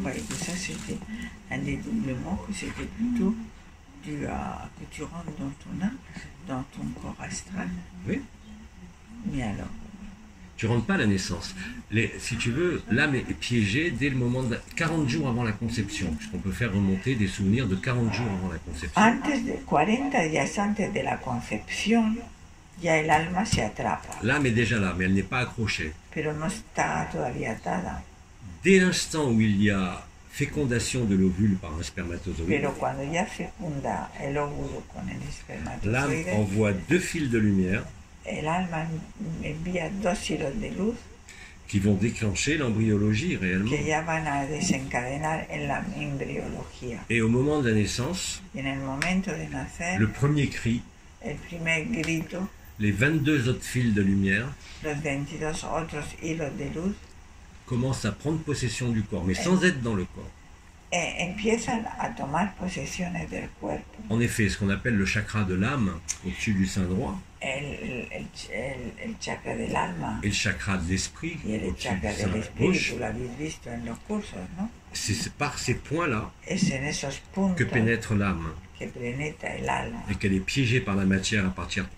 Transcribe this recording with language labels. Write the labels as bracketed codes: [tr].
[fr] Moi, je croyais que ça, c'était un dédoublement, que c'était plutôt dû à que tu rentres dans ton âme, dans ton corps astral. Oui. Mais alors? Tu ne rentres pas à la naissance. Si tu veux, l'âme est piégée dès le moment de 40 jours avant la conception, puisqu'on peut faire remonter des souvenirs de 40 jours avant la conception. [es] Antes de 40 días antes de la conception, ya el alma se atrapa. [fr] L'âme est déjà là, mais elle n'est pas accrochée. [es] Pero no está todavía atada. [fr] Dès l'instant où il y a fécondation de l'ovule par un spermatozoïde. [es] Pero cuando ya fecunda el óvulo con el espermatozoïde. [fr] L'âme envoie deux fils de lumière. [es] Et l'alma envía dos hilos de luz [fr] qui vont déclencher l'embryologie réellement. [es] Que ya van a desencadenar en la embriología. [fr] Et au moment de la naissance, [es] en el momento de nacer, [fr] le premier cri, [es] el primer grito, [fr] les 22 autres fils de lumière, [es] los 22 otros hilos de luz, [fr] commencent à prendre possession du corps, mais sans être dans le corps. [es] empiezan a tomar posesiones del cuerpo. [fr] En effet, ce qu'on appelle le chakra de l'âme, au-dessus du sein droit, [es] el chakra del alma, [fr] et le chakra de l'esprit, [es] y el chakra del espíritu, lo habéis visto en los cursos, ¿no? [fr] C'est par ces points-là que pénètre l'âme et qu'elle est piégée par la matière à partir de